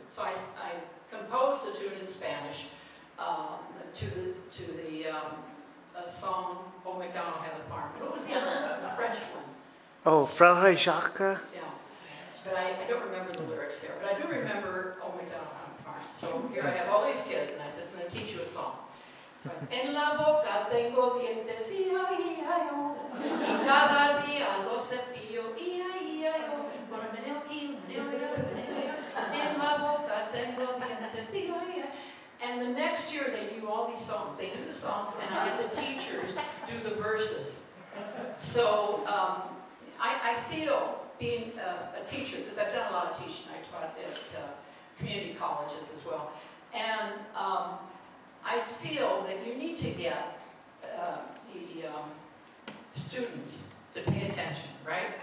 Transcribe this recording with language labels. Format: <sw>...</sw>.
<en>So I composed a tune in Spanish to the song, Old MacDonald Had a Farm. What was the other one? The French one. Oh, Frère Jacques? Yeah. But I don't remember the lyrics there. But I do remember Old MacDonald Had a Farm. So here I have all these kids, and I said, I'm going to teach you a song.</en> <es>En la boca tengo dientes, y ay, y ay, oh. Y cada día los cepillo, y ay, y ay, oh. Con el meneo aquí, meneo, y ay, meneo. En la boca tengo dientes, y ay, y ay.</es> <en>And the next year they knew all these songs. They knew the songs, and I had the teachers do the verses. So I feel being a teacher, because I've done a lot of teaching. I taught at community colleges as well. And I feel that you need to get the students to pay attention, right?</en>